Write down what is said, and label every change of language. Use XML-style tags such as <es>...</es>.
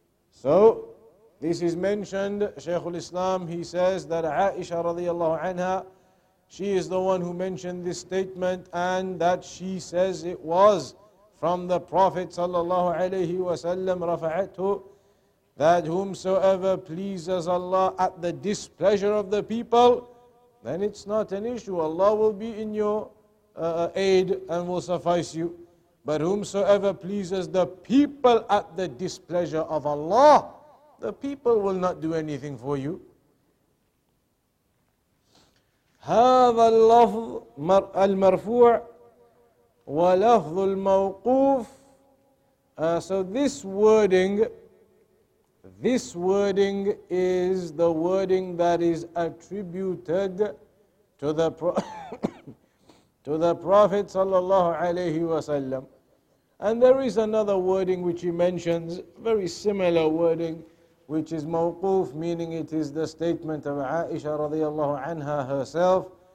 <en>So, this is mentioned, Shaykh al-Islam, he says that Aisha radiallahu anha, she is the one who mentioned this statement, and that she says it was from the Prophet sallallahu alayhi wa sallam, rafa'atuhu, that whomsoever pleases Allah at the displeasure of the people, then it's not an issue. Allah will be in your aid and will suffice you. But whomsoever pleases the people at the displeasure of Allah, the people will not do anything for you.</en> <ar>هذا اللفظ المرفوع ولفظ الموقوف.</ar> <en>So this wording is the wording that is attributed to the Prophet sallallahu alayhi wasallam. And there is another wording which he mentions, very similar wording, which is mawquf, meaning it is the statement of Aisha radiallahu anha herself.</en>